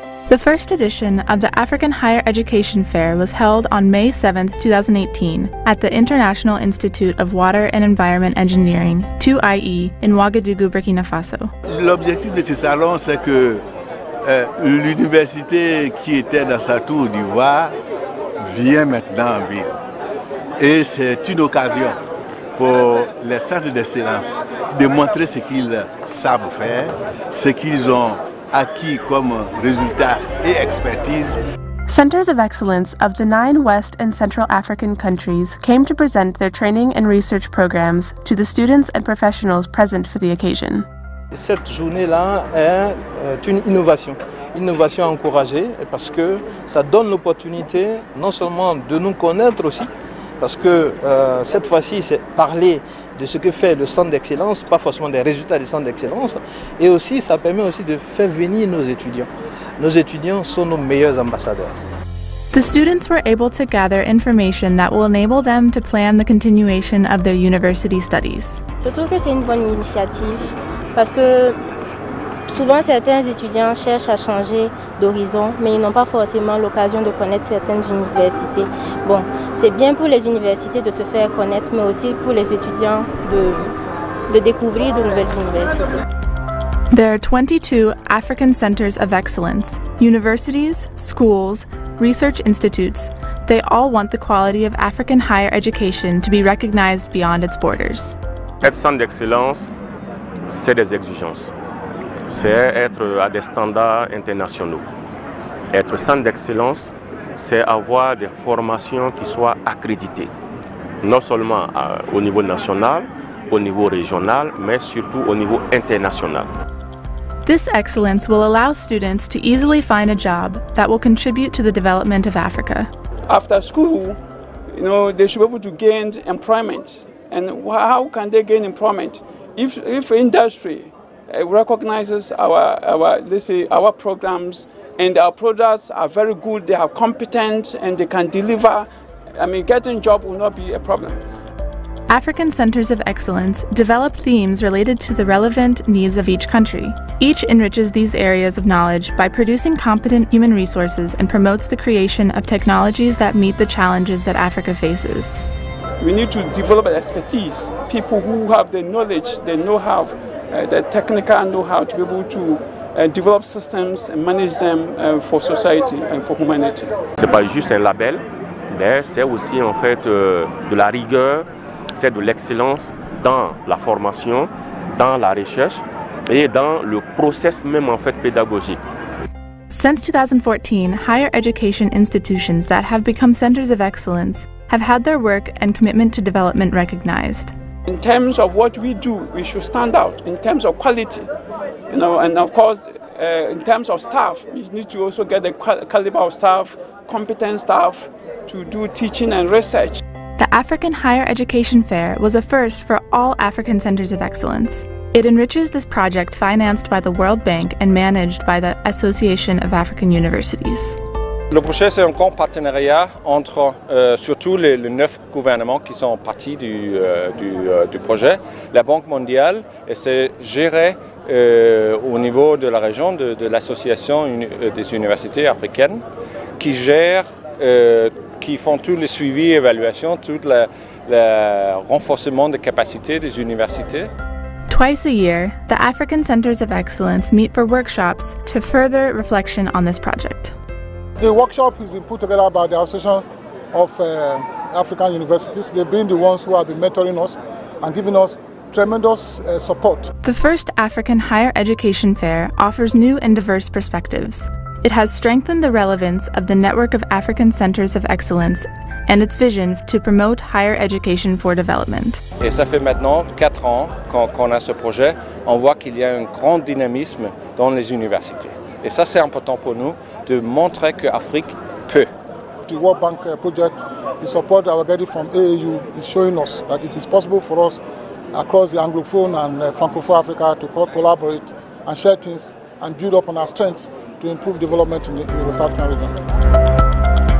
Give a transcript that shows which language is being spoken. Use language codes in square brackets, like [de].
[en] The first edition of the African Higher Education Fair was held on May 7, 2018 at the International Institute of Water and Environment Engineering, 2IE, in Ouagadougou, Burkina Faso. [fr] L'objectif de ce salon, c'est que l'université qui était dans sa tour d'Ivoire vient maintenant en ville. Et c'est une occasion pour les centres d'excellence de montrer ce qu'ils savent faire, ce qu'ils ont acquis comme résultat et expertise. [en] Centers of excellence of the 9 West and Central African countries came to present their training and research programs to the students and professionals present for the occasion. [fr] Cette journée-là est une innovation. Innovation encouragée parce que ça donne l'opportunité non seulement de nous connaître aussi, parce que cette fois-ci, c'est parler de ce que fait le centre d'excellence, pas forcément des résultats du centre d'excellence, et aussi ça permet aussi de faire venir nos étudiants. Nos étudiants sont nos meilleurs ambassadeurs. [en] The students were able to gather information that will enable them to plan the continuation of their university studies. [fr] Je trouve que c'est une bonne initiative parce que souvent certains étudiants cherchent à changer d'horizon, mais ils n'ont pas forcément l'occasion de connaître certaines universités. Bon, c'est bien pour les universités de se faire connaître, mais aussi pour les étudiants de découvrir de nouvelles universités. [en] There are 22 African Centers of Excellence, universities, schools, research institutes. They all want the quality of African higher education to be recognized beyond its borders. [fr] Être centre d'excellence, c'est des exigences. C'est être à des standards internationaux. Être centre d'excellence, c'est avoir des formations qui soient accréditées, non seulement au niveau national, au niveau régional, mais surtout au niveau international. [en] This excellence will allow students to easily find a job that will contribute to the development of Africa. After school, you know, they should be able to gain employment. And how can they gain employment? If industry recognizes our programs and our products are very good, they are competent and they can deliver, I mean, getting a job will not be a problem. African Centers of Excellence develop themes related to the relevant needs of each country. Each enriches these areas of knowledge by producing competent human resources and promotes the creation of technologies that meet the challenges that Africa faces. We need to develop expertise, people who have the knowledge, the know-how, the technical know-how to be able to develop systems and manage them for society and for humanity. [fr] C'est pas juste un label, mais c'est aussi en fait de la rigueur, c'est de l'excellence dans la formation, dans la recherche, et dans le process même en fait pédagogique. [en] Since 2014, higher education institutions that have become centers of excellence have had their work and commitment to development recognized. In terms of what we do, we should stand out in terms of quality, you know, and of course, in terms of staff, we need to also get the caliber of staff, competent staff to do teaching and research. The African Higher Education Fair was a first for all African centers of excellence. It enriches this project financed by the World Bank and managed by the Association of African Universities. [fr] Le projet, c'est un grand partenariat entre surtout les 9 gouvernements qui sont partis du projet, la Banque mondiale, et c'est géré au niveau de la région de l'Association des universités africaines qui gère, qui font tout le suivi, évaluation, tout le renforcement des capacités des universités. [en] Twice a year, the African Centers of Excellence meet for workshops to further reflection on this project. The workshop has been put together by the Association of African Universities. They've been the ones who have been mentoring us and giving us tremendous support. The first African Higher Education Fair offers new and diverse perspectives. It has strengthened the relevance of the network of African Centers of Excellence and its vision to promote higher education for development. [fr] Et ça fait maintenant 4 ans qu'on a ce projet. On voit qu'il y a un grand dynamisme dans les universités. Et ça, c'est important pour nous de montrer que l'Afrique peut. [en] The World Bank project, the support that we're getting from AAU is showing us that it is possible for us across the Anglophone and Francophone Africa to collaborate and share things and build up on our strengths to improve development in the West African region.